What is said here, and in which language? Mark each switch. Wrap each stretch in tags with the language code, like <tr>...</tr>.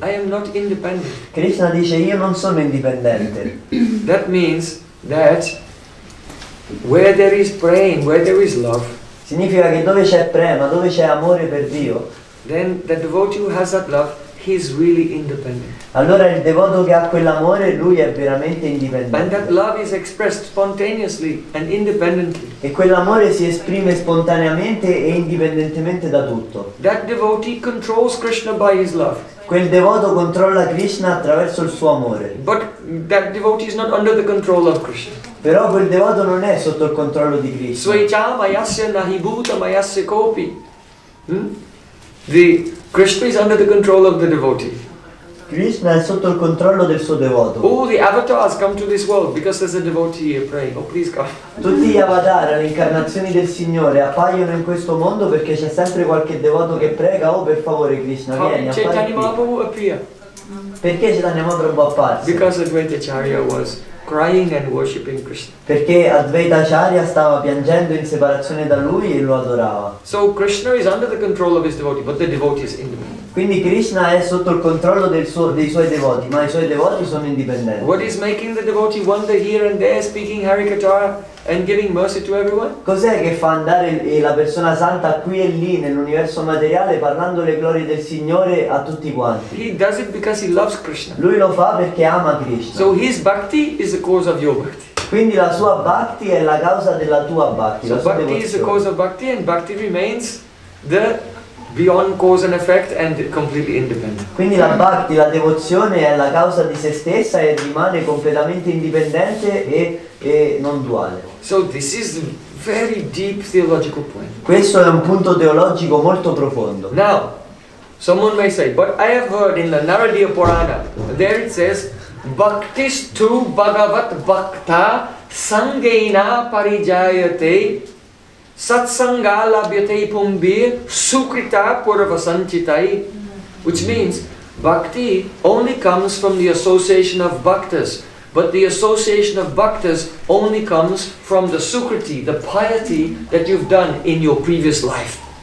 <en>I am not independent.</en> <it>Krishna dice io non sono indipendente.</it> <en>That means that where there is praying, where there is love.</en> <it>Significa che dove c'è prema, dove c'è amore per Dio,</it> <en>then the devotee who has that love, he is really independent.</en> <it>Allora il devoto che ha quell'amore, lui è veramente indipendente.</it> <en>And that love is expressed spontaneously and independently.</en> <it>E quell'amore si esprime spontaneamente e indipendentemente da tutto.</it> <en>That devotee controls Krishna by his love.</en> <it>Quel devoto controlla Krishna attraverso il suo amore.</it> <en>But that devotee is not under the control of Krishna.</en> <it>Però quel devoto non è sotto il controllo di Krishna.</it> <sa>Svaichama yasya nahibhuta mayasya kopi.</sa> <en>Krishna is under the control of the devotee.</en> <it>Krishna è sotto il controllo del suo devoto.</it> <en>Oh, the avatars come to this world because there's a devotee here praying. Oh, please come.</en> <it>Tutti gli avatar, le incarnazioni del Signore, appaiono in questo mondo perché c'è sempre qualche devoto che prega. Oh, per favore, Krishna, vieni.</it> <en>Chaitanya Mahaprabhu appear.</en> <it>Perché Chaitanya Mahaprabhu apparsi?</it> <en>Because Advaita Acharya was crying and worshipping Krishna.</en> <it>Perché Advaita Acharya stava piangendo in separazione da lui e lo adorava.</it> <en>So Krishna is under the control of his devotee, but the devotee is independent.</en> <it>Quindi Krishna è sotto il controllo del suo, dei suoi devoti, ma i suoi devoti sono indipendenti.</it> <en>What is making the devotee wander here and there, speaking Harikatha and giving mercy to everyone?</en> <it>Cos'è che fa andare la persona santa qui e lì nell'universo materiale parlando le glorie del Signore a tutti quanti?</it> <en>He does it because he loves Krishna.</en> <it>Lui lo fa perché ama Krishna.</it> <en>So his bhakti is the cause of your bhakti.</en> <it>Quindi la sua bhakti è la causa della tua bhakti.</it> <en>So bhakti</en> <it>devozione.</it> <en>Is the cause of bhakti and bhakti remains the beyond cause and effect and completely independent.</en> <it>Quindi la bhakti, la devozione è la causa di se stessa e rimane completamente indipendente e non duale.</it> <en>So this is a very deep theological point.</en> <it>Questo è un punto teologico molto profondo.</it> <en>Now, someone may say, but I have heard in the Naradiya Purana, there it says,</en> <sa>bhaktistu bhagavat bhakta sangena parijayate satsanga labhyate pumbi sukrita purvasanchitai,</sa> <en>which means bhakti only comes from the association of bhaktas, but the association of bhaktas only comes from the sukriti, the piety that you've done in your previous life.</en>